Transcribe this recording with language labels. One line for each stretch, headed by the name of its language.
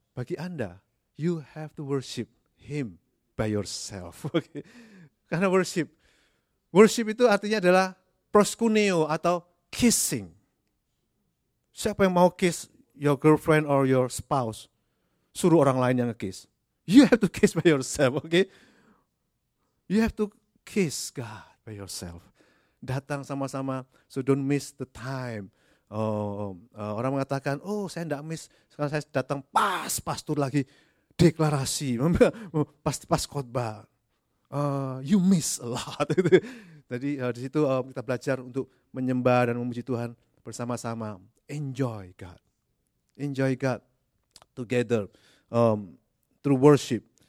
Indonesian: Bagi Anda,
English: you have to worship Him by yourself. Okay.
Indonesian: Karena worship itu artinya adalah proskuneo atau kissing. Siapa yang mau
English: kiss your girlfriend or your spouse?
Indonesian: Suruh orang lain yang kiss.
English: You have to kiss by yourself, okay? You have to kiss God by yourself.
Indonesian: Datang sama-sama,
English: so don't miss the time.
Indonesian: Orang mengatakan, oh saya tidak miss, sekarang saya datang pas tur lagi deklarasi, pas khotbah.
English: You miss a lot.
Indonesian: Jadi di situ kita belajar untuk menyembah dan memuji Tuhan bersama-sama.
English: Enjoy God together through worship.